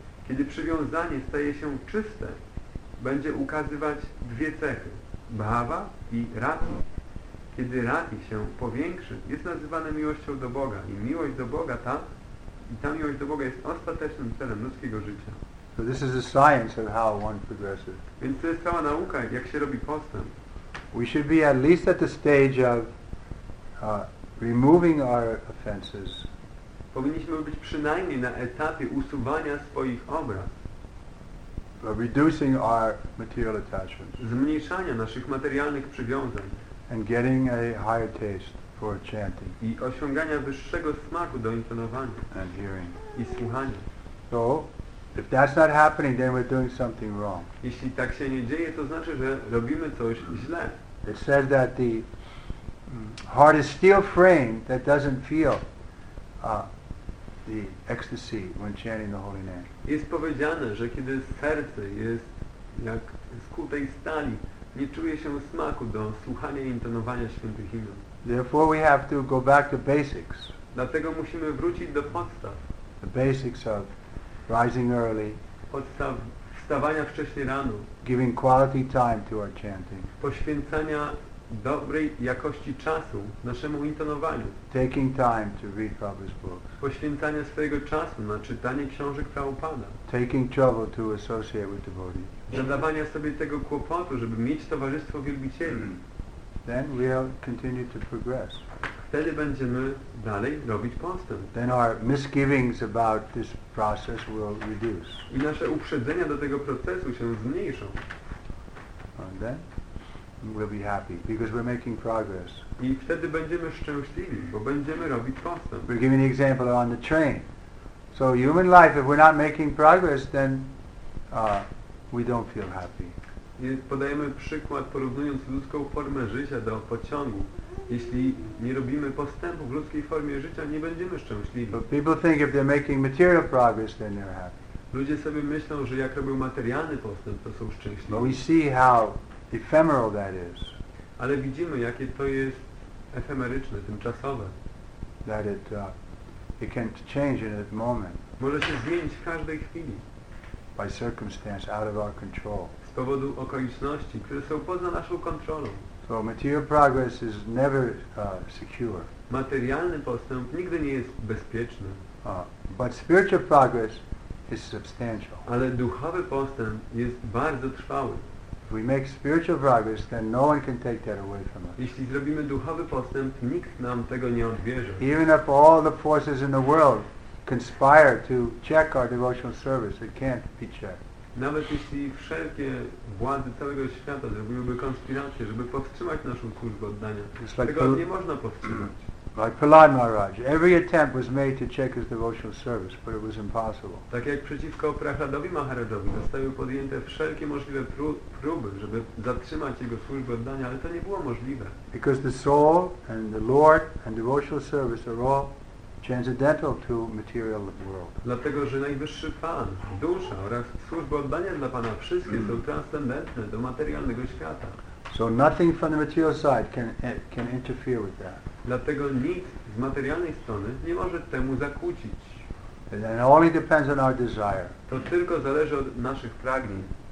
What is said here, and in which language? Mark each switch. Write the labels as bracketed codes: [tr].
[pl] Kiedy przywiązanie staje się czyste, będzie ukazywać dwie cechy: bhava i rati. Kiedy rati się powiększy, jest nazywane miłością do Boga i miłość do Boga ta i ta miłość do Boga jest ostatecznym celem ludzkiego życia. [en] So this is the science of how one progresses. [pl] Więc to jest cała nauka, jak się robi postęp. [en] We should be at least at the stage of removing our offenses. [pl] Powinniśmy być przynajmniej na etapie usuwania swoich obraz. [en] Reducing our material attachments. [pl] Zmniejszania naszych materialnych przywiązań. [en] And getting a higher taste for chanting. [pl] I osiągania wyższego smaku do intonowania. [en] And hearing. [pl] I słuchania. [en] So, if that's not happening, then we're doing something wrong. [pl] Jeśli tak się nie dzieje, to znaczy, że robimy coś źle. [en] It says that the heart is steel frame that doesn't feel the ecstasy when chanting the holy name. [pl] Jest powiedziane, że kiedy serce jest jak z kutej stali, nie czuje się smaku do słuchania i intonowania świętych imion. [en] Therefore we have to go back to basics. [pl] Dlatego musimy wrócić do podstaw. [en] The basics of rising early. [pl] Podstaw wstawania wcześniej rano. [en] Giving quality time to our chanting. [pl] Poświęcania dobrej jakości czasu naszemu intonowaniu. [en] Taking time to read Prabhupada's books. [pl] Poświęcania swojego czasu na czytanie książek Prabhupada. [en] Taking trouble to associate with devotees. [pl] Zadawania sobie tego kłopotu, żeby mieć towarzystwo wielbicieli. [en] Then we'll continue to progress. [pl] Wtedy będziemy dalej robić postęp. [en] Then our misgivings about this process will reduce. [pl] I nasze uprzedzenia do tego procesu się zmniejszą. [en] And then we'll be happy because we're making progress. [pl] I wtedy będziemy szczęśliwi, bo będziemy robić postęp. [en] We're giving an example on the train. So human life, if we're not making progress, then we don't feel happy. [pl] I podajemy przykład, porównując ludzką formę życia do pociągu. Jeśli nie robimy postępu w ludzkiej formie życia, nie będziemy szczęśliwi. [en] But people think if they're making material progress, then they're happy. [pl] Ludzie sobie myślą, że jak robią materialny postęp, to są szczęśliwi. [en] But we see how ephemeral that is. [pl] Ale widzimy, jakie to jest efemeryczne, tymczasowe. [en] That it can change in a moment. [pl] Może się zmienić w każdej chwili. [en] By circumstance out of our control. [pl] Z powodu okoliczności, które są poza naszą kontrolą. [en] So material progress is never secure. [pl] Materialny postęp nigdy nie jest bezpieczny. [en] But spiritual progress is substantial. [pl] Ale duchowy postęp jest bardzo trwały. [en] If we make spiritual progress, then no one can take that away from us. [pl] Jeśli zrobimy duchowy postęp, nikt nam tego nie odbierze. [en] Even if all the forces in the world conspire to check our devotional service, it can't be checked. [pl] Nawet jeśli wszelkie władze całego świata zrobiłyby konspirację, żeby powstrzymać naszą służbę oddania, tego nie można powstrzymać. [en] Like Prahlad Maharaj, every attempt was made to check his devotional service, but it was impossible. [pl] Tak jak przeciwko Prahladowi Maharajowi zostały podjęte wszelkie możliwe próby, żeby zatrzymać jego służbę oddania, ale to nie było możliwe. [en] Because the soul and the Lord and devotional service are all transcendental to material world. [pl] Dlatego, że najwyższy Pan, dusza oraz służba oddania dla Pana, wszystkie są transcendentne do materialnego świata. [en] So nothing from the material side can interfere with that. [pl] Dlatego nic z materialnej strony nie może temu zakłócić. [en] And only depends on our desire. [pl] To tylko zależy od naszych pragnień.